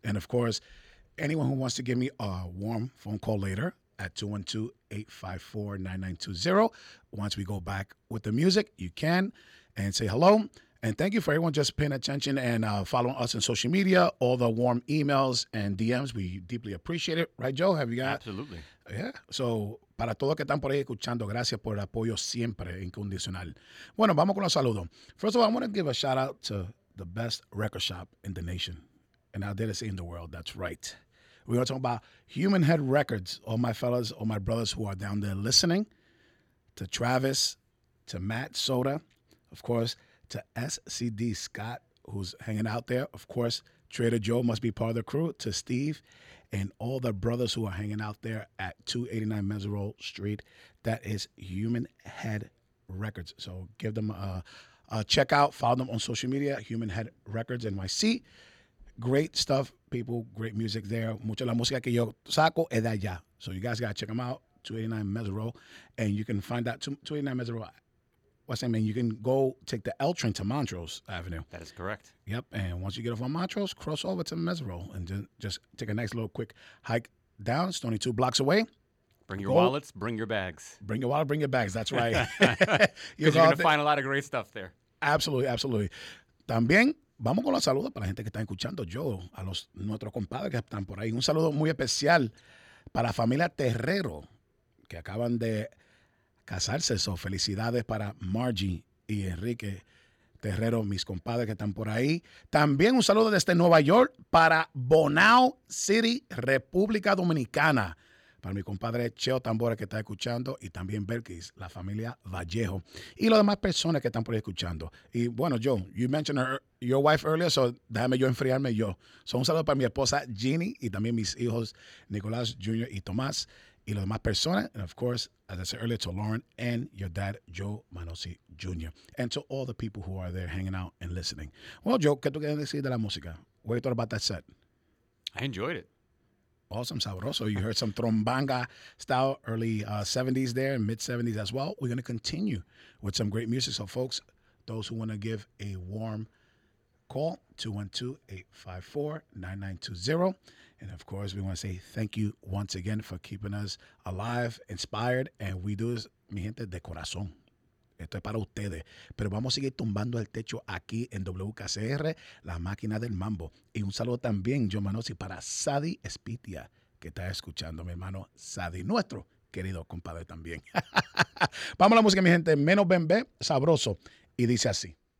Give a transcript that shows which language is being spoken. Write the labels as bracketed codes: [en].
[en] And, of course, anyone who wants to give me a warm phone call later at 212-854-9920. Once we go back with the music, you can and say hello. And thank you for everyone just paying attention and following us on social media, all the warm emails and DMs. We deeply appreciate it. Right, Joe? Have you got? Absolutely. Yeah. [es] So, para todos que están por ahí escuchando, gracias por el apoyo siempre incondicional. Bueno, vamos con los saludos. [en] First of all, I want to give a shout out to the best record shop in the nation. And I dare say in the world. That's right. We're going to talk about Human Head Records. All my fellas, all my brothers who are down there listening. To Travis, to Matt Soda, of course, to SCD Scott, who's hanging out there. Of course, Trader Joe must be part of the crew. To Steve and all the brothers who are hanging out there at 289 Mesero Street. That is Human Head Records. So give them a check out. Follow them on social media, Human Head Records NYC. Great stuff, people. Great music there. [es] Mucha la música que yo saco es de allá. [en] So you guys got to check them out, 289 Mesero. And you can find that 289 Mesero. What's that mean? You can go take the L train to Montrose Avenue. That is correct. Yep. And once you get off on Montrose, cross over to Mesero and just take a nice little quick hike down. It's only two blocks away. Bring your wallets. Bring your bags. Bring your wallet. Bring your bags. That's right. You're going to find a lot of great stuff there. Absolutely. Absolutely. [es] También vamos con los saludos para la gente que está escuchando. Yo a los nuestros compadres que están por ahí. Un saludo muy especial para la familia Terrero que acaban de casarse. So felicidades para Margie y Enrique Terrero, mis compadres que están por ahí. También un saludo desde Nueva York para Bonao City, República Dominicana. Para mi compadre Cheo Tambora que está escuchando y también Belkis, la familia Vallejo. Y las demás personas que están por ahí escuchando. Y bueno, Joe, [en] you mentioned your wife earlier, [es] so déjame yo enfriarme yo. So un saludo para mi esposa Ginny y también mis hijos Nicolás Jr. y Tomás. Y los demás personas, [en] and of course, as I said earlier, to Lauren and your dad, Joe Manosi Jr., and to all the people who are there hanging out and listening. [es] Well, Joe, ¿qué tú quieres decir de la música? [en] What you thought about that set? I enjoyed it. Awesome, sabroso. You heard some trombanga style early 70s there, mid-70s as well. We're going to continue with some great music. So, folks, those who want to give a warm call, 212-854-9920. And, of course, we want to say thank you once again for keeping us alive, inspired. And we do this, [es] mi gente, de corazón. Esto es para ustedes. Pero vamos a seguir tumbando el techo aquí en WKCR, la máquina del mambo. Y un saludo también, Joe Manosi, para Sadi Espitia, que está escuchando, mi hermano Sadi, nuestro querido compadre también. Vamos a la música, mi gente. Menos Bembé, sabroso. Y dice así.